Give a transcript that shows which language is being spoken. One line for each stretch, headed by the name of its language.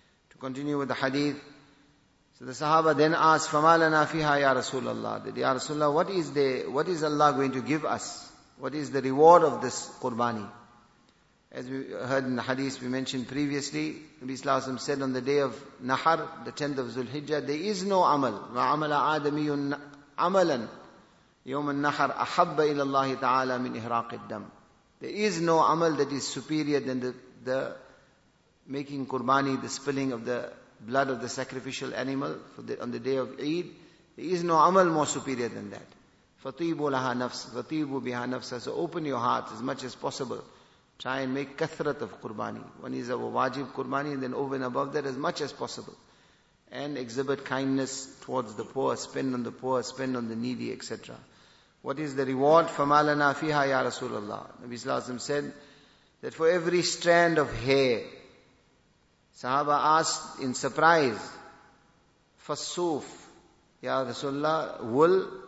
English: To continue with the hadith, so the Sahaba then asked,
Arabic: فَمَا لَنَا فِيهَا يَا رَسُولَ اللَّهِ,
English: that Ya Rasulullah, what is Allah going to give us? What is the reward of this qurbani? As we heard in the hadith we mentioned previously, Nabi sallallahu alayhi wa sallam said on the day of Nahar, the 10th of Zulhijjah, there is no amal.
Arabic: وَعَمَلَ آدَمِيٌ عَمَلًا يوم النحر أحب إلى الله تعالى من إهراق الدم.
English: There is no amal that is superior than the making qurbani, the spilling of the blood of the sacrificial animal on the day of Eid. There is no amal more superior than that.
Arabic: فطيبوا لها نفس فطيبوا بها نفس.
English: So open your hearts as much as possible. Try and make kathrat of qurbani. One is our wajib qurbani, and then over and above that as much as possible. And exhibit kindness towards the poor, spend on the poor, spend on the needy, etc. What is the reward?
Arabic: فَمَا لَنَا فِيهَا يَا رَسُولَ اللَّهِ.
English: Nabi Sallallahu Alaihi Wasallam said that for every strand of hair, Sahaba asked in surprise,
Arabic: فَالصُّوف يَا رَسُولَ اللَّهِ,
English: wool.